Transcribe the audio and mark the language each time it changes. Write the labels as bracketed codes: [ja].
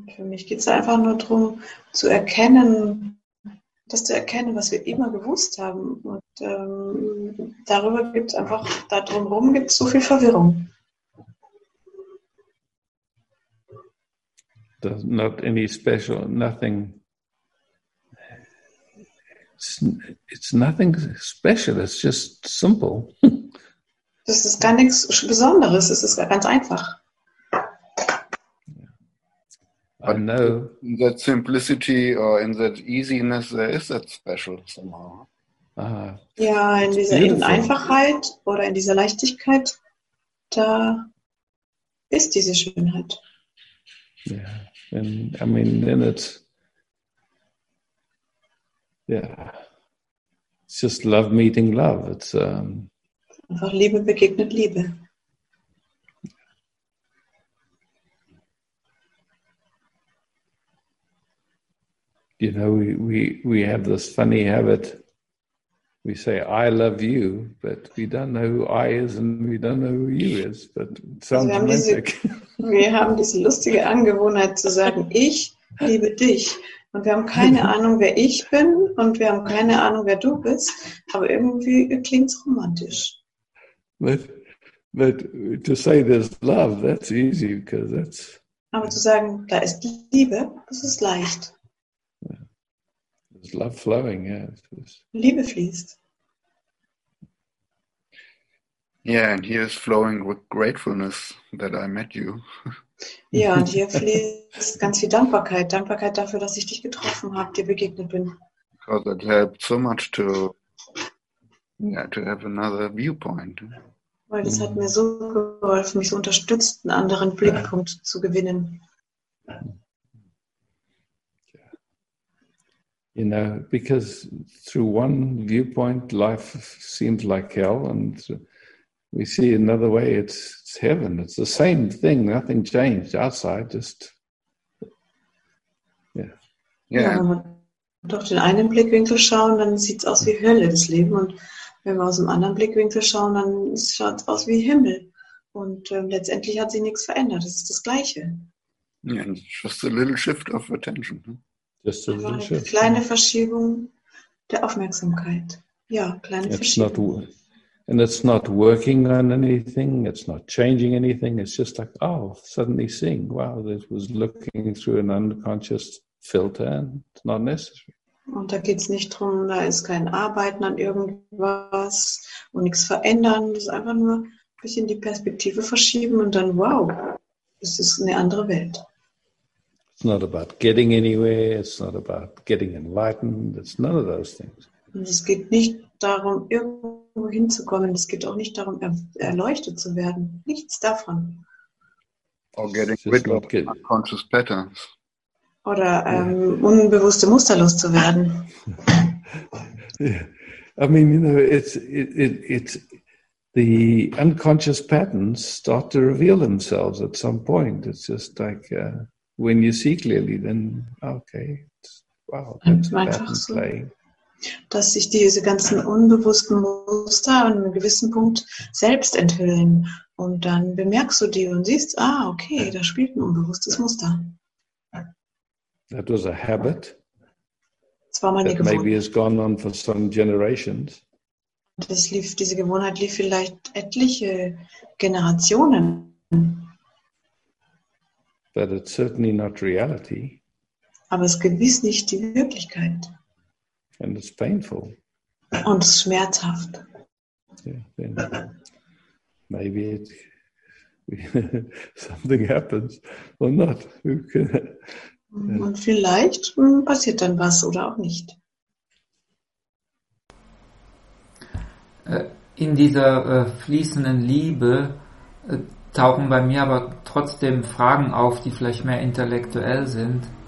[de] Für mich geht es einfach nur darum, zu erkennen, das zu erkennen, was wir immer gewusst haben. Und darüber gibt es einfach, da drumherum gibt es so viel Verwirrung. [en] There's not any special, nothing. It's nothing special, it's just simple. [de] Das ist gar nichts Besonderes, es ist ganz einfach. [en] I know. In that simplicity or in that easiness, there is that special somehow. [de] Ja, in dieser Einfachheit oder in dieser Leichtigkeit, da ist diese Schönheit. [en] Ja, yeah. I mean, then it's. Yeah. It's just love meeting love. It's [de] einfach Liebe begegnet Liebe. [en] You know, we have this funny habit. We say I love you, but we don't know who I is and we don't know who you is. But it sounds romantic. [de] Wir haben diese lustige Angewohnheit zu sagen, ich liebe dich. Und wir haben keine Ahnung, wer ich bin und wir haben keine Ahnung, wer du bist. Aber irgendwie klingt es romantisch. [en] But to say there's love, that's easy because that's. [de] Aber zu sagen, da ist Liebe, das ist leicht. [en] There's love flowing, yeah. [de] Liebe fließt. [en] Yeah, and here is flowing with gratefulness that I met you. [de] Ja, und hier fließt ganz viel Dankbarkeit. Dankbarkeit dafür, dass ich dich getroffen habe, dir begegnet bin. [en] Because it helped so much to, yeah, to have another viewpoint. [de] Weil es hat mir so geholfen, mich so unterstützt, einen anderen Blickpunkt zu gewinnen. [en] You know, because through one viewpoint, life seems like hell, and we see another way, it's heaven. It's the same thing. Nothing changed outside. Just, yeah. Yeah. [de] Wenn wir durch den einen Blickwinkel schauen, dann sieht es aus wie Hölle, das Leben. Und wenn wir aus dem anderen Blickwinkel schauen, dann schaut es aus wie Himmel. Und letztendlich hat sich nichts verändert. Es ist das Gleiche. [en] Yeah, just a little shift of attention. Just a little shift. [de] Kleine Verschiebung der Aufmerksamkeit. Ja, kleine [en] it's [de] Verschiebung. [en] And it's not working on anything, it's not changing anything, it's just like, oh, suddenly seeing, wow, this was looking through an unconscious filter and it's not necessary. [de] Und da geht's nicht drum, da ist kein Arbeiten an irgendwas und nichts verändern, das ist einfach nur ein bisschen die Perspektive verschieben und dann, wow, es ist eine andere Welt. [en] It's not about getting anywhere, it's not about getting enlightened, it's none of those things. [de] Und es geht nicht darum, irgendwo hinzukommen. Es geht auch nicht darum, erleuchtet zu werden. Nichts davon. [en] Or getting rid of unconscious patterns. [de] Oder unbewusste Muster loszuwerden. [en] Yeah. I mean, you know, it's the unconscious patterns start to reveal themselves at some point. It's just like when you see clearly, then okay, it's, wow, that's a pattern so. Play. [de] Dass sich diese ganzen unbewussten Muster an einem gewissen Punkt selbst enthüllen. Und dann bemerkst du die und siehst, ah, okay, da spielt ein unbewusstes Muster. [en] That was a habit. [de] Das war meine Gewohnheit. [en] Maybe it's gone on for some generations. [de] Das lief, diese Gewohnheit lief vielleicht etliche Generationen. [en] But it's certainly not reality. [de] Aber es ist gewiss nicht die Wirklichkeit. [en] And it's painful. [de] Und es ist schmerzhaft. [en] Yeah, then maybe it, something happens or not. [de] Und vielleicht passiert dann was oder auch nicht. In dieser fließenden Liebe tauchen bei mir aber trotzdem Fragen auf, die vielleicht mehr intellektuell sind.